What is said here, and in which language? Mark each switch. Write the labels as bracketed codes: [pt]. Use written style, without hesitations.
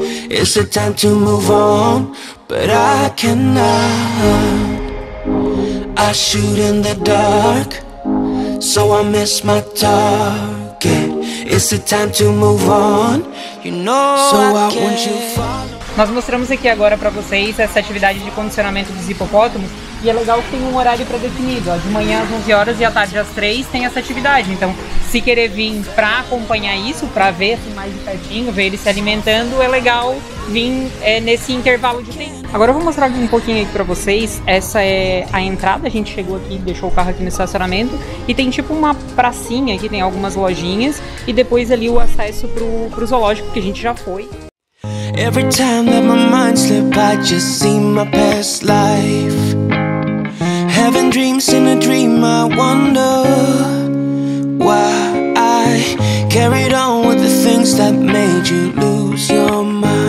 [en] It's a time to move on, but I cannot. I shoot in the dark, so I miss my target. It's a time to move on, you know. So I want you follow. [pt] Nós mostramos aqui agora pra vocês essa atividade de condicionamento dos hipopótamos. E é legal que tem um horário pré-definido, ó. De manhã às 11 horas e à tarde às 3 tem essa atividade. Então, se querer vir para acompanhar isso, para ver assim, mais de pertinho, ver ele se alimentando, é legal vir nesse intervalo de tempo. Agora eu vou mostrar aqui um pouquinho aqui para vocês. Essa é a entrada, a gente chegou aqui, deixou o carro aqui no estacionamento. E tem tipo uma pracinha aqui, tem algumas lojinhas. E depois ali o acesso pro zoológico, que a gente já foi. [en] Every time that my mind slips, I just see my past life. Having dreams in a dream, I wonder why I carried on with the things that made you lose your mind.